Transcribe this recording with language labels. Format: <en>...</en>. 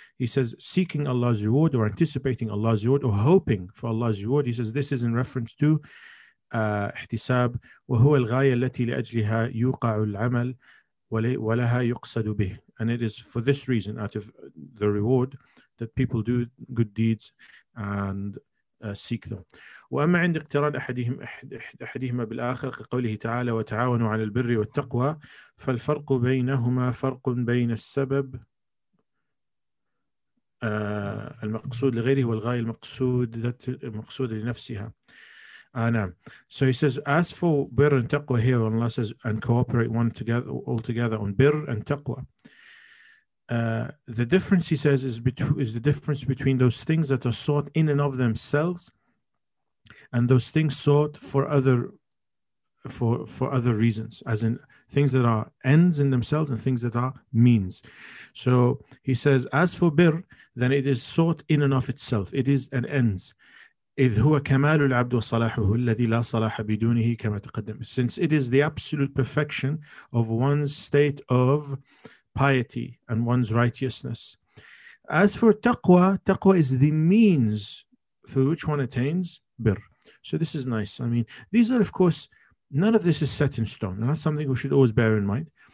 <en>He says seeking Allah's reward, or anticipating Allah's reward, or hoping for Allah's reward, he says this is in reference to ihtisab.</en> <ar>وَهُوَ الْغَايَ الَّتِي لِأَجْلِهَا يُوقَعُ الْعَمَلُ وَلَهَا يُقْصَدُ بِهِ.</ar> <en>And it is for this reason, out of the reward, that people do good deeds and seek them.</en> <ar>وأما عند اقتران أحدهما بالآخر كقوله تعالى وتعاونوا على البر والتقوى فالفرق بينهما فرق بين السبب المقصود لغيره والغاية المقصود المقصود لنفسها.</ar> <en>So he says, as for birr and taqwa here, Allah says, and cooperate one together, all together on birr and taqwa. The difference, he says, is the difference between those things that are sought in and of themselves, and those things sought for other reasons, as in things that are ends in themselves and things that are means. So he says, as for birr, then it is sought in and of itself. It is an ends.</en> <ar>إذ هو كمال العبد وصلاحه الذي لا صلاح بدونه كما تقدم.</ar> <en>Since it is the absolute perfection of one's state of piety and one's righteousness. As for taqwa, taqwa is the means through which one attains birr. So this is nice. I mean, these are, of course, none of this is set in stone. And that's something we should always bear in mind.</en>